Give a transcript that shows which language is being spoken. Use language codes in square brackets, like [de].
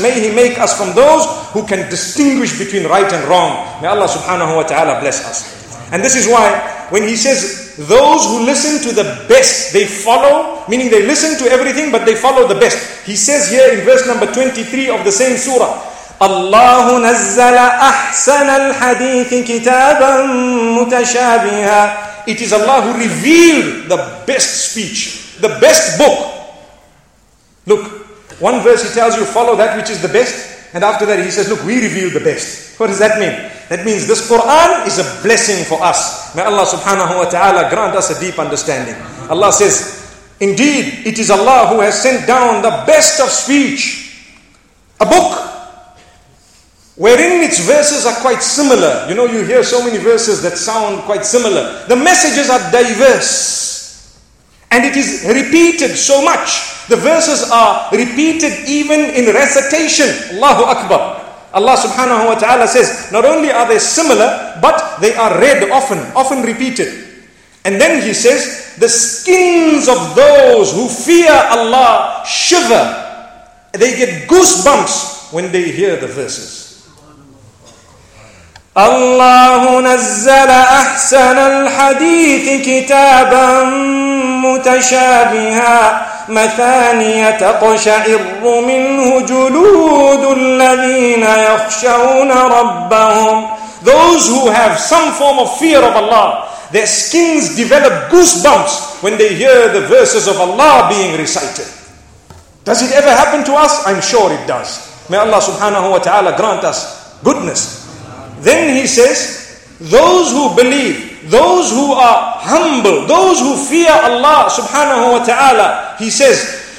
[en] May He make us from those who can distinguish between right and wrong. May Allah subhanahu wa ta'ala bless us. And this is why when He says those who listen to the best, they follow, meaning they listen to everything but they follow the best. He says here in verse number 23 of the same surah, [ar] الله نزل أحسن الحديث كتابا متشابها. [en] It is Allah who revealed the best speech, the best book. Look, one verse he tells you follow that which is the best, and after that he says, look, we revealed the best. What does that mean? That means this Quran is a blessing for us. May Allah subhanahu wa ta'ala grant us a deep understanding. Allah says, indeed, it is Allah who has sent down the best of speech, a book wherein its verses are quite similar. You know, you hear so many verses that sound quite similar. The messages are diverse. And it is repeated so much. The verses are repeated even in recitation. Allahu Akbar. Allah subhanahu wa ta'ala says, not only are they similar, but they are read often, often repeated. And then he says, the skins of those who fear Allah shiver. They get goosebumps when they hear the verses. [ar] الله نزل أحسن الحديث كتابا متشابها مثانية تقشعر منه جلود الذين يخشون ربهم. [en] Those who have some form of fear of Allah, their skins develop goosebumps when they hear the verses of Allah being recited. Does it ever happen to us? I'm sure it does. May Allah subhanahu wa ta'ala grant us goodness. Then he says, those who believe, those who are humble, those who fear Allah subhanahu wa ta'ala, he says,